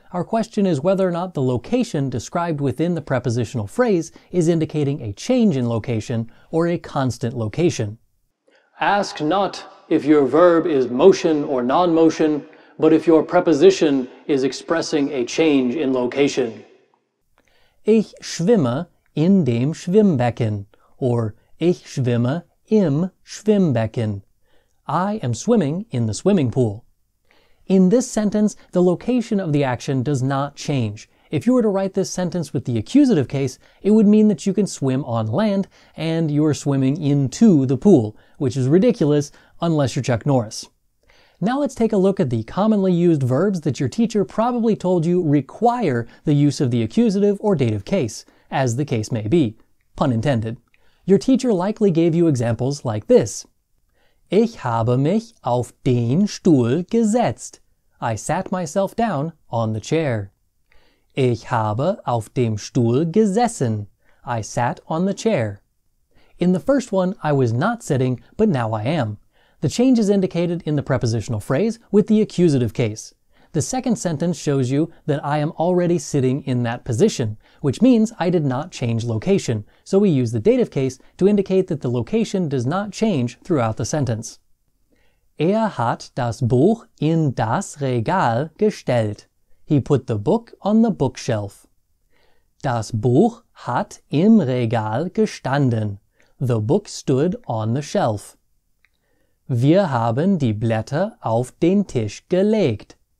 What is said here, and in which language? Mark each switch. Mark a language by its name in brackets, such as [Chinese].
[English] Our question is whether or not the location described within the prepositional phrase is indicating a change in location or a constant location. Ask not if your verb is motion or non-motion, but if your preposition is expressing a change in location. [German] Ich schwimme in dem Schwimmbecken, or ich schwimme im Schwimmbecken. [English] I am swimming in the swimming pool. In this sentence, the location of the action does not change. If you were to write this sentence with the accusative case, it would mean that you can swim on land and you are swimming into the pool, which is ridiculous unless you're Chuck Norris. Now let's take a look at the commonly used verbs that your teacher probably told you require the use of the accusative or dative case, as the case may be, pun intended. Your teacher likely gave you examples like this. [German] Ich habe mich auf den Stuhl gesetzt. [English] I sat myself down on the chair. [German] Ich habe auf dem Stuhl gesessen. [English] I sat on the chair. In the first one, I was not sitting, but now I am. The change is indicated in the prepositional phrase with the accusative case. The second sentence shows you that I am already sitting in that position, which means I did not change location, so we use the dative case to indicate that the location does not change throughout the sentence. [German] Er hat das Buch in das Regal gestellt. [English] He put the book on the bookshelf. [German] Das Buch hat im Regal gestanden. [English] The book stood on the shelf. [German] Wir haben die Blätter auf den Tisch gelegt.